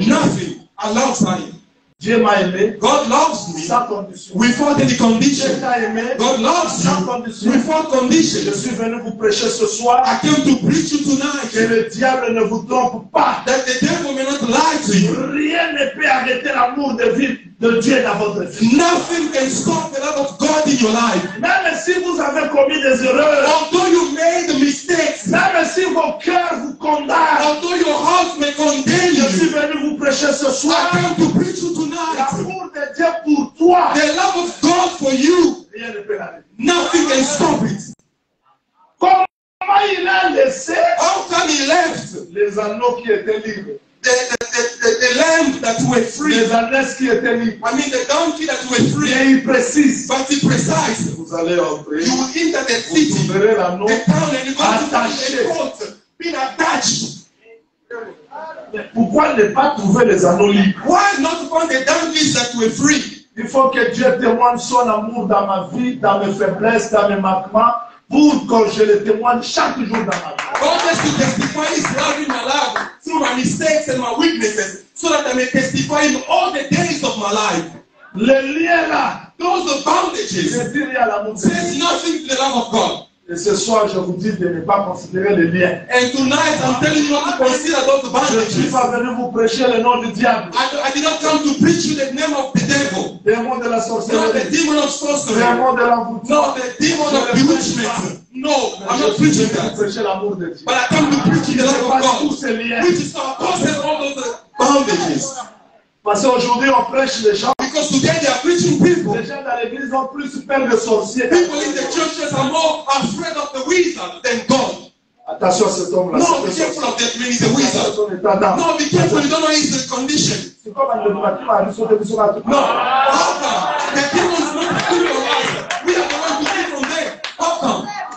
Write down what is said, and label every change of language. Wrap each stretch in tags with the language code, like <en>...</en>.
<en>Nothing. I love Zion.</en> <fr>Dieu m'a aimé.</fr> <en>God loves me.</en> <fr>Sans condition.</fr> <en>Without any condition. God loves me.</en> <fr>Sans condition.</fr> <en>Without condition.</en> <fr>Je suis venu vous prêcher ce soir.</fr> <en>I came to preach you tonight.</en> <fr>Que le diable ne vous trompe pas.</fr> <en>That the devil may not lie to you.</en> <fr>Rien ne peut arrêter l'amour de vivre de Dieu dans votre vie.</fr> <en>Nothing can stop the love of God in your life.</en> <fr>Même si vous avez commis des erreurs.</fr> <en>Although you made mistakes.</en> <fr>Même si vos cœurs vous condamnent.</fr> <en>Although your heart may condemn you.</en> <fr>Je suis venu vous prêcher ce soir.</fr> <en>I came to preach you tonight.</en> <fr>L'amour de Dieu pour toi.</fr> <en>The love of God for you.</en> <fr>Rien ne peut arrêter.</fr> <en>Nothing can stop it.</en> <fr>Comment il a laissé?</fr> <en>How come he left?</en> <fr>Les anneaux qui étaient libres.</fr> <en>The lamb that were free.</en> <fr>Les ânes qui étaient libres.</fr> <en>I mean the donkey that were free.</en> <fr>Mais il précise.</fr> <en>But he precise.</en> <fr>Vous allez entrer.</fr> <en>You will enter the city.</en> <fr>Vous trouverez l'anneau.</fr> <en>The town and you go to the court. Being attached.</en> <fr>Mais pourquoi ne pas trouver les anneaux libres?</fr> <en>Why not find the donkeys that were free?</en> <fr>Il faut que Dieu témoigne son amour dans ma vie, dans mes faiblesses, dans mes manquements. Pour que je le témoigne chaque jour dans ma vie.</fr> <en>God has to testify his love in my life through my mistakes and my weaknesses so that I may testify in all the days of my life.</en> <fr>Le lien là,</fr> <en>those are bondages. Says nothing to the love of God.</en> <fr>Et ce soir, je vous dis de ne pas considérer les liens.</fr> <en>And tonight, I'm telling you not to consider those bandages.</en> <fr>Je ne suis pas venu vous prêcher le nom du diable.</fr> <en>I did not come to preach you the name of the devil.</en> <fr>Démon de la sorcellerie.</fr> <en>Not the demon of sorcery.</en> <fr>Démon de l'envoûtement.</fr> <en>Not the demon of bewitchment. No, I'm not preaching that.</en> <fr>Prêcher l'amour de Dieu.</fr> <en>But I come to preach you the love of God.</en> <fr>Tous ces liens.</fr> <en>Which is not causing all those bandages.</en> <fr>Parce qu'aujourd'hui, on prêche les gens.</fr> <en>Because today they are preaching people.</en> <fr>Les gens dans l'église ont plus peur de sorciers.</fr> <en>People in the churches are more afraid of the wizard than God.</en> <fr>Attention à cet homme-là.</fr> <en>No, be careful of that man, he's a wizard. No, be careful, you don't know his condition.</en> <fr>C'est comme un demon,</fr> <en>no, how come? The demon is not a wizard. We are the ones who came from there. How come?</en>